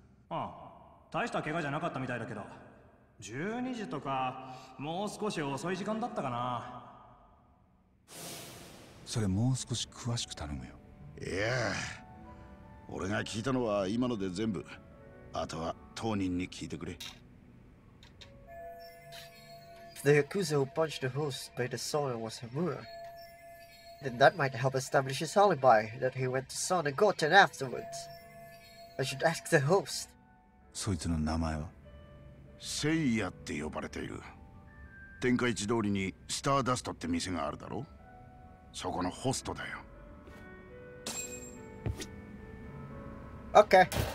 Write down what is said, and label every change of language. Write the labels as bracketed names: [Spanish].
[Japanese] ああ、大した怪我じゃなかったみたいだけど、12時とかもう少し遅い時間だったかな。それもう少し詳しく頼むよ。いや、俺が聞いたのは今ので全部。あとは当人に聞いてくれ。 [English] The Yakuza who punched the host by the sauna was Hamura. Then that might help establish his alibi that he went to sauna Goten afterwards. I should ask the host. [Japanese] そいつの名前は？セイヤって呼ばれている。天下一通りにスターダストって店があるだろ？そこのホストだよ。 [English] Okay.